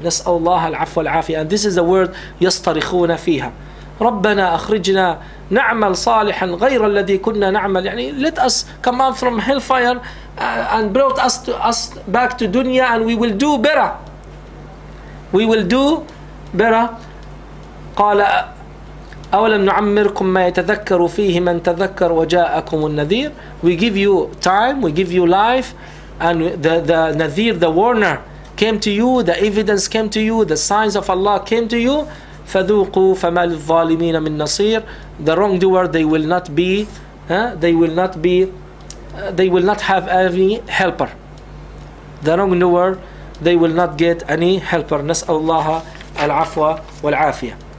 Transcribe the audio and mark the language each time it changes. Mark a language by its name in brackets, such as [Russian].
[Arabic] نسأل الله العفو والعافية. [English] And this is the word يصطرخون فيها. [Arabic] ربنا أخرجنا نعمل صالحا غير الذي كنا نعمل. [English] يعني let us come out from hellfire and brought us to us back to dunya, and we will do better. We will do better. [Arabic] قال أولم نعمركم ما يتذكر فيه من تذكر وجاءكم النذير. [English] We give you time, we give you life, and the nadir, the warner came to you, the evidence came to you, the signs of Allah came to you. [Arabic] فذوقوا فما للظالمين من نصير. [English] The wrongdoer, they will not be, they will not have any helper. The wrongdoer, they will not get any helper. [Arabic] نسأل الله العفو والعافية.